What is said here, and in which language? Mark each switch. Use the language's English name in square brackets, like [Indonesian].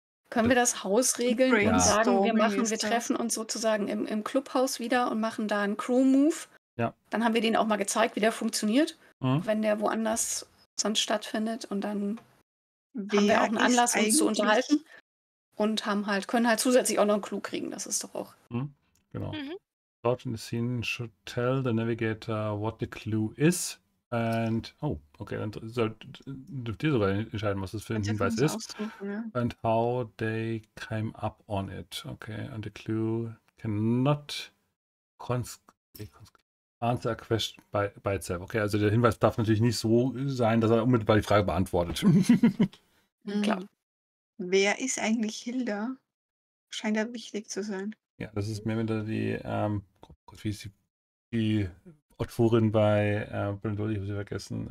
[German] Können wir das Haus regeln und sagen, wir treffen uns sozusagen im Clubhaus wieder und machen da einen Crew-Move? Ja. Dann haben wir denen auch mal gezeigt, wie der funktioniert, wenn der woanders sonst stattfindet und dann haben wir auch einen Anlass, uns zu unterhalten und können halt zusätzlich auch noch einen Clue kriegen, das ist doch auch. Genau. [English] Thought in the scene should tell the navigator what the clue is. And [German] dann dürft ihr sogar entscheiden, was das für ein Hinweis ist. Ja. [English] And how they came up on it. Okay, and the clue cannot answer a question by itself. [German] Okay, also der Hinweis darf natürlich nicht so sein, dass er unmittelbar die Frage beantwortet. Klar. Wer ist eigentlich Hilda? Scheint er wichtig zu sein. Ja, das ist mehr oder die, wie ist die Autorin bei Brandon Dolly, ich habe sie vergessen.